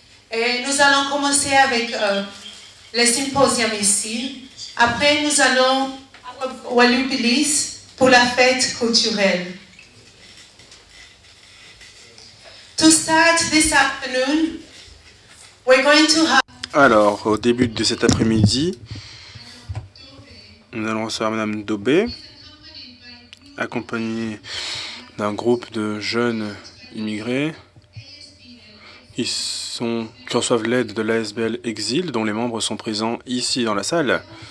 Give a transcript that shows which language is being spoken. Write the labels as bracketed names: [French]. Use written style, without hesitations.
[French] Et nous allons commencer avec le symposium ici. Après, nous allons à Walubilis pour la fête culturelle. [English] To start this afternoon, we're going to have... [French] Alors, au début de cet après-midi, nous allons recevoir Madame Dobet, accompagnée d'un groupe de jeunes immigrés. Qui reçoivent l'aide de l'ASBL Exil, dont les membres sont présents ici dans la salle.